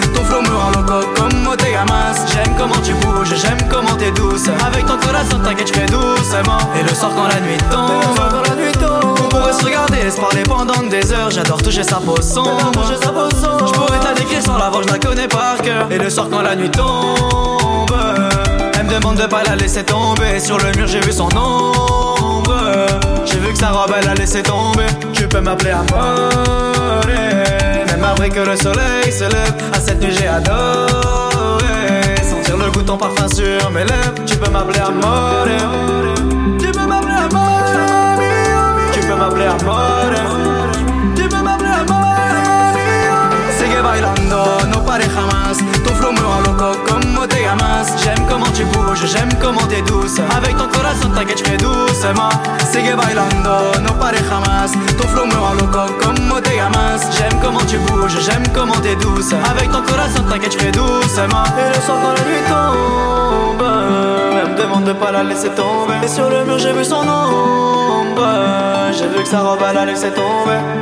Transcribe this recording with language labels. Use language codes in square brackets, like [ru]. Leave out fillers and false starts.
[fr] Ton flow me rend loco [es] como te llamas. [fr] J'aime comment tu bouges, j'aime comment t'es douce. Avec ton corazón, t'inquiète, j'fais doucement. Et le soir quand la nuit tombe, on pourrait se regarder et se parler pendant des heures. J'adore toucher sa peau sombre. J'pourrais te la décrire sans la voir, j'la connais par cœur. Et le soir quand la nuit tombe, elle me demande de pas la laisser tomber. Sur le mur, j'ai vu son ombre. J'ai vu que sa robe elle a laissé tomber. Tu peux m'appeler amore, même après que le soleil se lève. À cette nuit j'ai adoré sentir le goût ton parfum sur mes lèvres. Tu peux m'appeler amore. Tu peux m'appeler amore. Tu peux m'appeler amore. Tu peux m'appeler amore. Sigue [es] bailando, no pare jamás. [fr] Ton flow me rend loco, [es] como te llamas. [fr] J'aime comment tu bouges, j'aime comment t'es douce. Avec ton corazón, t'inquiète, j'fais doucement. [es] Sigue bailando, no pare jamás. [fr] Ton flow me rend loco, [es] como te llamas. [fr] J'aime comment tu bouges, j'aime comment t'es douce. Avec ton corazón, t'inquiète, j'fais doucement. Et le soir quand la nuit tombe, elle me demande de pas la laisser tomber. Et sur le mur j'ai vu son ombre. J'ai vu que sa robe elle a laissé tomber.